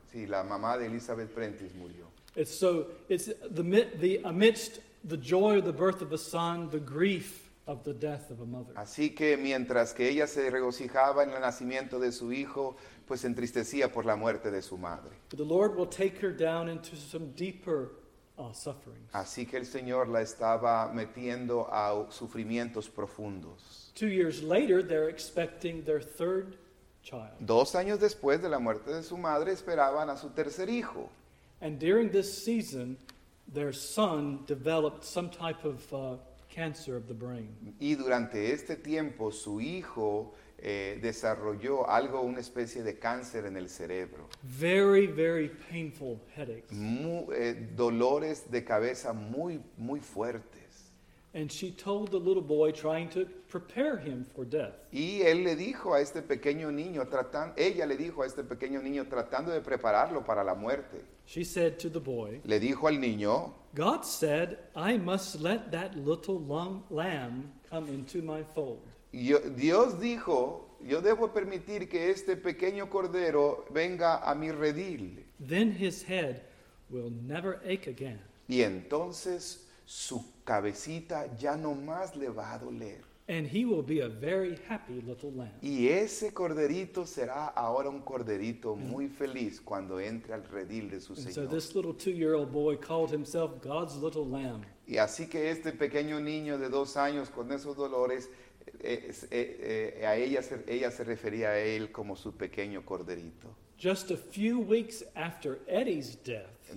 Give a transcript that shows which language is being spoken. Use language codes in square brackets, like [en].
[es] Sí, la mamá de Elizabeth Prentice murió. [en] It's so, it's the amidst the joy of the birth of a son, the grief of the death of a mother. [es] Así que mientras que ella se regocijaba en el nacimiento de su hijo, pues entristecía por la muerte de su madre. [en] But the Lord will take her down into some deeper sufferings. [es] Así que el Señor la estaba metiendo a sufrimientos profundos. [en] 2 years later, they're expecting their third child. [es] 2 años después de la muerte de su madre, esperaban a su tercer hijo. [en] And during this season, their son developed some type of cancer of the brain. [es] Y durante este tiempo, su hijo desarrolló algo, una especie de cáncer en el cerebro. [en] Very, very painful headaches. [es] Dolores de cabeza muy, muy fuertes. [en] And she told the little boy, trying to prepare him for death. [es] Y él le dijo a este pequeño niño, ella le dijo a este pequeño niño, tratando de prepararlo para la muerte. [en] She said to the boy, [es] le dijo al niño, [en] God said, I must let that little lamb come into my fold. [es] Dios dijo, yo debo permitir que este pequeño cordero venga a mi redil. [en] Then his head will never ache again. [es] Y entonces su cabecita ya no más le va a doler. [en] And he will be a very happy little lamb. [es] Y ese corderito será ahora un corderito muy feliz cuando entre al redil de su Señor. [en] So this little 2-year-old boy called himself God's little lamb. [es] Y así que este pequeño niño de 2 años con esos dolores, ella se refería a él como su pequeño corderito. [en] Just a few weeks after Eddie's death.